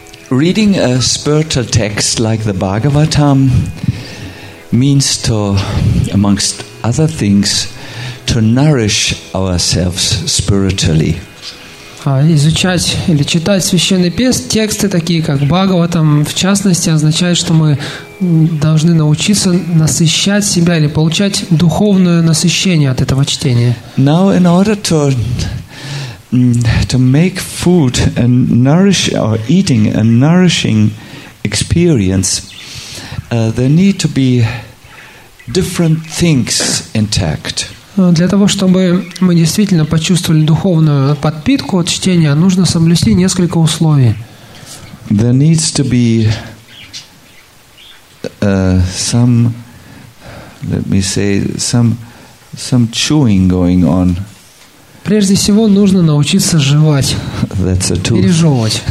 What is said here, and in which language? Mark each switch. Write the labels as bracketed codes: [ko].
[en] Reading a spiritual text like the Bhagavatam means to, amongst other things, to nourish ourselves spiritually. [ru] Изучать или читать священные тексты, такие как Бхагаватам, в частности, означает, что мы должны научиться насыщать себя или получать духовное насыщение от этого чтения. [en] Now, in order to make food and nourish or eating a nourishing experience, there need to be different things intact. [ru] Для того, чтобы мы действительно почувствовали духовную подпитку от чтения, нужно соблюсти несколько условий. [en] There needs to be some chewing going on. [ru] Прежде всего, нужно научиться жевать, пережевывать.